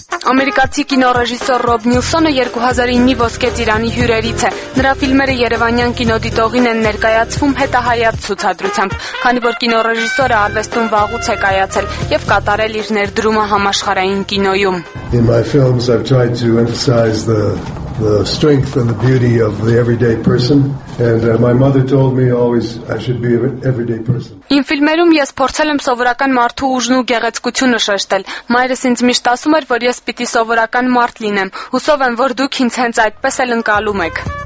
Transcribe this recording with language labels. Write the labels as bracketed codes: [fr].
[hy] Ամերիկացի կինոռեժիսոր Ռոբ Նյուսոնը 2009-ի Ոսկե Ծիրանի հյուրերից է։ Նրա ֆիլմերը Երևանյան կինոդիտողին են ներկայացվում հետահայաց ցուցադրությամբ, քանի որ կինոռեժիսորը արվեստում վաղուց է կայացել եւ կատարել իր ներդրումը համաշխարհային կինոյում։ [en] In my films I've tried to emphasize the strength and the beauty of the everyday person. And my mother told me always I should be an everyday person. [hy] Իմ ֆիլմերում ես փորձել եմ սովորական մարդու ուժն ու գեղեցկությունը շեշտել։ Մայրս ինձ միշտ ասում էր, որ ես պիտի սովորական մարդ լինեմ։ Հուսով եմ, որ դուք ինձ հենց այդպես էլ ընկալում եք։